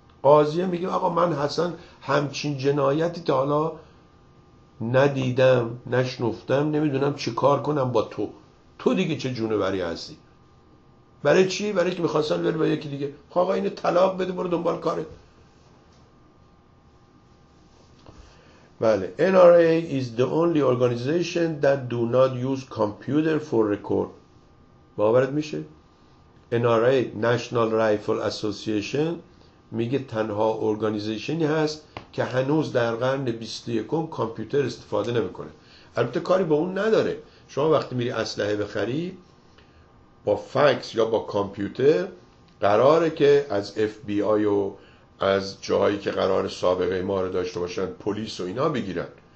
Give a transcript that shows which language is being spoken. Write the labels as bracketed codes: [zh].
[fa] قاضیه میگه آقا من حسن همچین جنایتی تا حالا ندیدم، نشنفتم، نمیدونم چی کار کنم با تو، تو دیگه چه جونوری هستی؟ برای چی؟ برای که میخواستن بره با یکی دیگه. آقا اینو طلاق بده برو دنبال کاره. [en] بله، NRA is the only organization that do not use computer for record. [fa] باورت میشه؟ NRA National Rifle Association میگه تنها ارگانیزیشنی هست که هنوز در قرن 21 کامپیوتر استفاده نمیکنه. البته کاری با اون نداره، شما وقتی میری اسلحه بخری با فکس یا با کامپیوتر قراره که از FBI و از جاهایی که قرار سابقه ما رو داشته باشن، پلیس و اینا بگیرن.